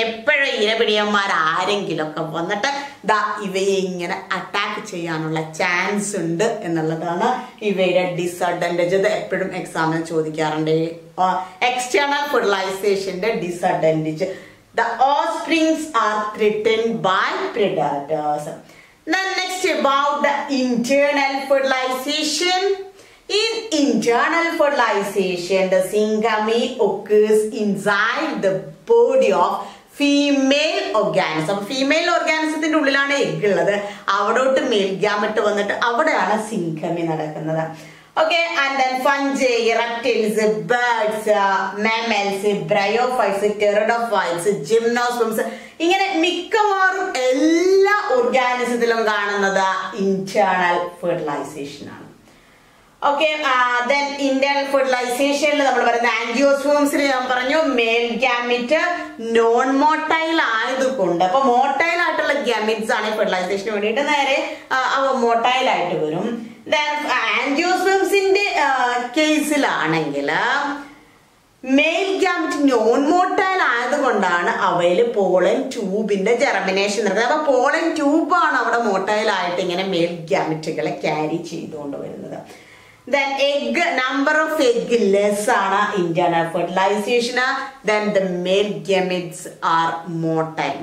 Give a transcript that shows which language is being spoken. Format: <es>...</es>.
<ml>എപ്പോഴും ഇരപിടിയന്മാർ ആരെങ്കിലും ഒക്കെ വന്നിട്ട് ദാ ഇവയെ ഇങ്ങനെ അറ്റാക്ക് ചെയ്യാനുള്ള ചാൻസ് ഉണ്ട് എന്നുള്ളതാണ് ഇവയുടെ ഡിസഡ്വാൻറ്റേജ്. ഇത് എപ്പോഴും എക്സാമിന് ചോദിക്കാറുണ്ട്, external ഫെർട്ടിലൈസേഷന്റെ disadvantage.</ml> <en>The offsprings are threatened by predators. Then next about the internal fertilization. In internal fertilization, the syngamy occurs inside the body of female organism.</en> <ml>Female organism ത്തിന്റെ ഉള്ളിലാണ് എഗ്ഗ് ഉള്ളത്, അവിടോട്ട് മെയിൽ ഗ്യാമറ്റ് വന്നിട്ട് അവിടെയാണ് സിംഗമി നടക്കുന്നത്. Okay, and then fungi, reptiles, birds, mammals, bryophytes, ടെറോഡോഫൈറ്റ്സ്, ജിംനോസ്പ്രംസ്, ഇങ്ങനെ മിക്കവാറും എല്ലാ ഓർഗാനിസത്തിലും കാണുന്നത് ഇന്റേണൽ ഫെർട്ടിലൈസേഷനാണ്. ഓക്കെ, ദെൻ ഇന്റേണൽ ഫെർട്ടിലൈസേഷനിൽ നമ്മൾ പറയുന്ന ആൻജിയോസ്പേംസിന് ഞാൻ പറഞ്ഞു മെയിൽ ഗ്യാമറ്റ് നോൺ മോട്ടൈൽ ആയതുകൊണ്ട്, അപ്പൊ മോട്ടൈൽ ആയിട്ടുള്ള ഗ്യാമറ്റ്സ് ആണ് ഫെർട്ടിലൈസേഷന് വേണ്ടിയിട്ട് നേരെ അവ മോട്ടൈൽ ആയിട്ട് വരും. Then ആൻജിയോസ്പേംസിന്റെ കേസിലാണെങ്കിൽ mail gamut non motile ആയതുകൊണ്ടാണ് അവയിൽ പോളൻ ട്യൂബിന്റെ ജെർമിനേഷൻ നടക്കുന്നത്. അപ്പൊ പോളൻ ട്യൂബാണ് അവിടെ മോട്ടൈൽ ആയിട്ട് ഇങ്ങനെ മെയിൽ ഗ്യാമറ്റുകളെ ക്യാരി ചെയ്തുകൊണ്ട് വരുന്നത്.</ml> <en>Then egg, number of egg less ana internal fertilization, then the male gametes are motile.</en>